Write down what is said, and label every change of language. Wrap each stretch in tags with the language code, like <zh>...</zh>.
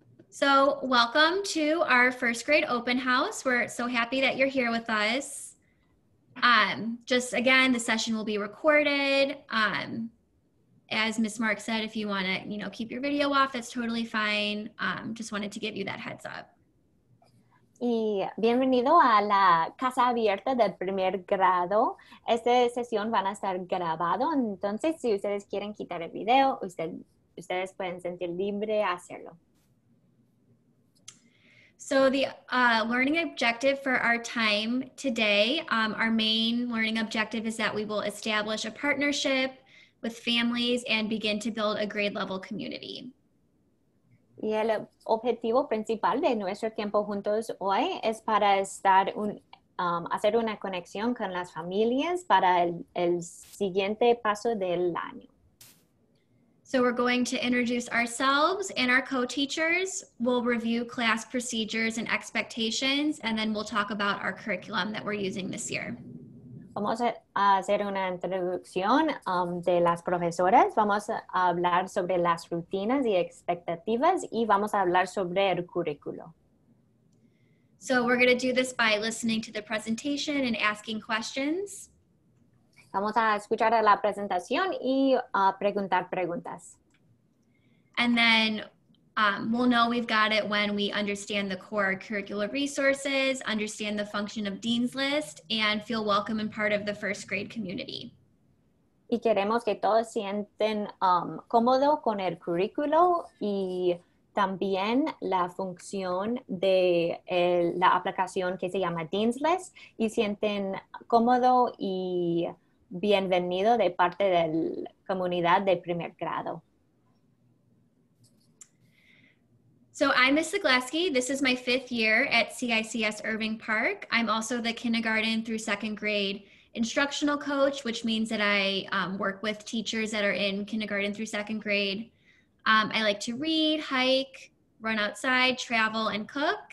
<en>So welcome to our first grade open house. We're so happy that you're here with us. Just again, the session will be recorded. As Ms. Mark said, if you want to, you know, keep your video off, that's totally fine. Just wanted to give you that heads up.</en> <es>Y bienvenido a la casa abierta del primer grado. Esta sesión van a estar grabado, entonces si ustedes quieren quitar el video, ustedes pueden sentir libre a hacerlo.</es> <en>So the learning objective for our time today, our main learning objective is that we will establish a partnership with families and begin to build a grade level community.</en> <es>Y el objetivo principal de nuestro tiempo juntos hoy es para estar hacer una conexión con las familias para el siguiente paso del año.</es> <en>So we're going to introduce ourselves and our co-teachers. We'll review class procedures and expectations, and then we'll talk about our curriculum that we're using this year.</en> <es>Vamos a hacer una introducción de las profesoras. Vamos a hablar sobre las rutinas y expectativas y vamos a hablar sobre el currículo.</es> <en>So we're going to do this by listening to the presentation and asking questions.</en> <es>Vamos a escuchar a la presentación y preguntar preguntas.</es> <en>And then we'll know we've got it when we understand the core curricular resources, understand the function of Dean's List, and feel welcome and part of the first grade community.</en> <es>Y queremos que todos sienten cómodo con el currículo y también la función de la aplicación que se llama Dean's List y sienten cómodo y bienvenido de parte de la comunidad de primer grado.</es> <en>So I'm Ms. Zagleski. This is my fifth year at CICS Irving Park. I'm also the kindergarten through second grade instructional coach, which means that I work with teachers that are in kindergarten through second grade. I like to read, hike, run outside, travel, and cook.</en>